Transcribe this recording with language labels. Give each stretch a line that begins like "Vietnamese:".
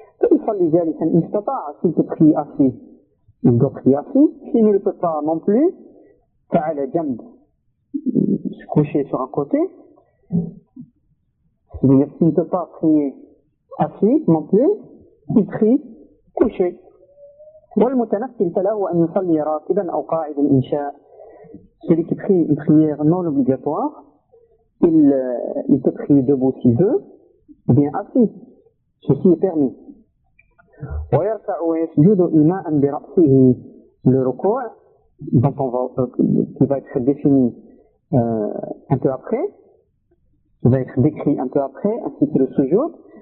French: Il faut lui dire, il ne peut pas, s'il peut prier assis. Il doit prier assis, s'il ne le peut pas non plus, faire le djamb, se coucher sur un côté. C'est-à-dire, s'il ne peut pas prier assis non plus, il prie couché.
Arabic: والمتنفل فله أن يصلي راكبا أو قاعدا إن شاء.
French: Celui qui prie une prière non obligatoire, il peut prier debout s'il veut, ou bien assis. Ceci est permis.
Arabic: ويرفع ويسجد إماء برأسه.
French: Le recours, dont on va, qui va être défini un peu après, qui va être décrit un peu après, ainsi que le sujoud.